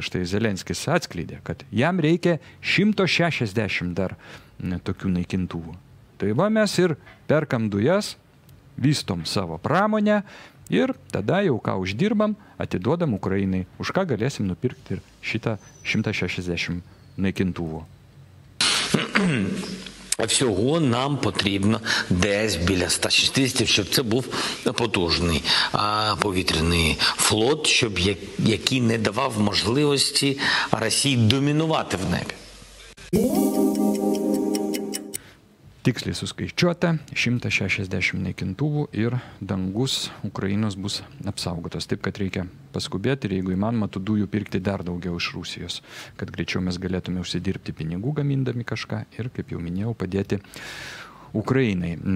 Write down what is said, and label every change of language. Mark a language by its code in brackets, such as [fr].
[lt] Štai Zelenskis atskleidė, kad jam reikia 160 dar tokių naikintuvų. Tai va, mes ir perkam dujas, vystom savo pramonę ir tada jau ką uždirbam, atiduodam Ukrainai, už ką galėsim nupirkti ir šitą 160 naikintuvų. [uk] Всього нам потрібно десь біля 160, щоб це був потужний повітряний флот, щоб який не давав можливості Росії домінувати в небі. [lt] Tiksliai suskaičiuota, 160 naikintuvų ir dangus Ukrainos bus apsaugotas. Taip, kad reikia paskubėti ir jeigu įmanoma, tų dujų pirkti dar daugiau iš Rusijos, kad greičiau mes galėtume užsidirbti pinigų gamindami kažką ir, kaip jau minėjau, padėti Ukrainai.